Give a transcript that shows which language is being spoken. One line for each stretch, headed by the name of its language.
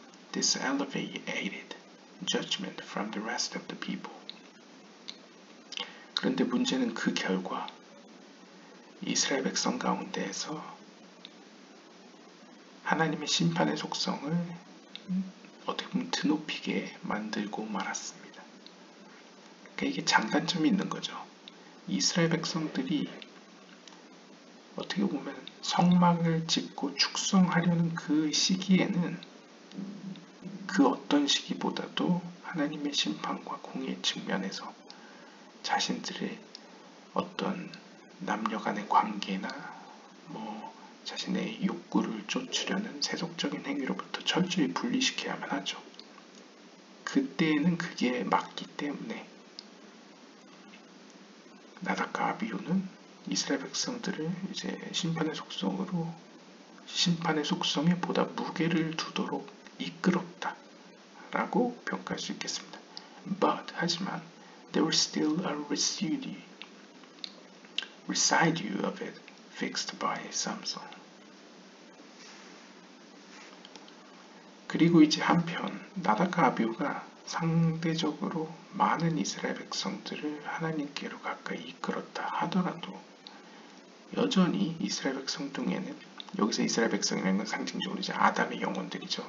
English: Dis-elevated judgment from the rest of the people.
Korean: 그런데 문제는 그 결과 이스라엘 백성 가운데에서 하나님의 심판의 속성을 어떻게 보면 드높이게 만들고 말았습니다. 그러니까 이게 장단점이 있는 거죠. 이스라엘 백성들이 어떻게 보면 성막을 짓고 축성하려는 그 시기에는 그 어떤 시기보다도 하나님의 심판과 공의 측면에서 자신들의 어떤 남녀간의 관계나 뭐 자신의 욕구를 쫓으려는 세속적인 행위로부터 철저히 분리시켜야만 하죠. 그때에는 그게 맞기 때문에 나답과 아비우는 이스라엘 백성들을 이제 심판의 속성에 보다 무게를 두도록 이끌었다라고 평가할 수 있겠습니다.
English: But
Korean: 하지만
English: there was still a residue of it fixed by Samson.
Korean: 그리고 이제 한편 나답과 아비우가 상대적으로 많은 이스라엘 백성들을 하나님께로 가까이 이끌었다 하더라도 여전히 이스라엘 백성 중에는 여기서 이스라엘 백성이라는 건 상징적으로 이제 아담의 영혼들이죠.